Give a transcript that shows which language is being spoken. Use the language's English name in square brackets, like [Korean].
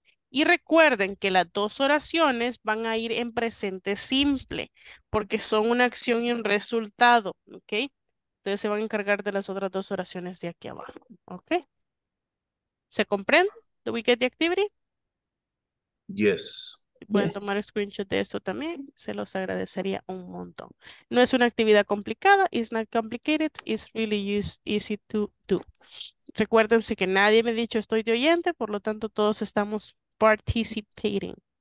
[Spanish] Y recuerden que las dos oraciones van a ir en presente simple, porque son una acción y un resultado, ¿ok? Ustedes se van a encargar de las otras dos oraciones de aquí abajo, ¿ok? ¿Se comprende? [English] ¿Do we get the activity? Yes. [Spanish] Pueden tomar screenshot de eso también, se los agradecería un montón. No es una actividad complicada, [English] it's not complicated, it's really easy to do. [Spanish] Recuérdense que nadie me ha dicho estoy de oyente, por lo tanto todos estamos participating.